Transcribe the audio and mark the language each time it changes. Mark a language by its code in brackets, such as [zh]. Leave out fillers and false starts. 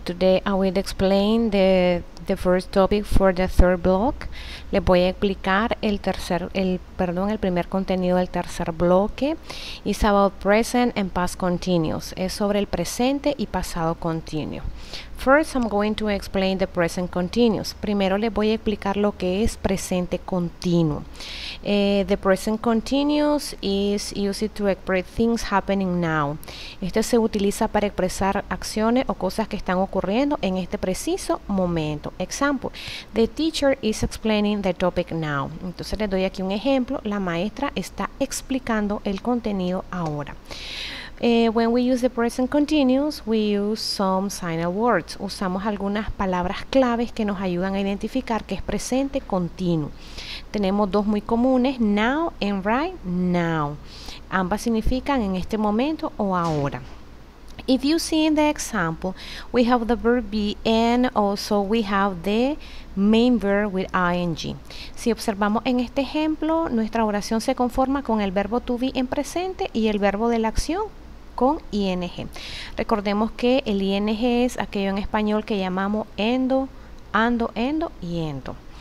[en] Today I will explain the first topic for the third block. [es] Les voy a explicar el primer contenido del tercer bloque. [en] It's about present and past continuous. [es] Es sobre el presente y pasado continuo. [en] First I'm going to explain the present continuous. [es] Primero les voy a explicar lo que es presente continuo. [en] The present continuous is used to express things happening now. [es] Este se utiliza para expresar acciones o cosas que están ocurriendo en este preciso momento. [en] Example, the teacher is explaining the topic now. [es] Entonces les doy aquí un ejemplo, la maestra está explicando el contenido ahora. [en] When we use the present continuous, we use some signal words. [es] Usamos algunas palabras claves que nos ayudan a identificar que es presente continuo. Tenemos dos muy comunes, [en] now and right now. [es] Ambas significan en este momento o ahora. [en] If you see in the example, we have the verb be and also we have the main verb with ing. [es] Si observamos en este ejemplo, nuestra oración se conforma con el verbo to be en presente y el verbo de la acción con ing. Recordemos que el ing es aquello en español que llamamos endo, ando, endo y endo.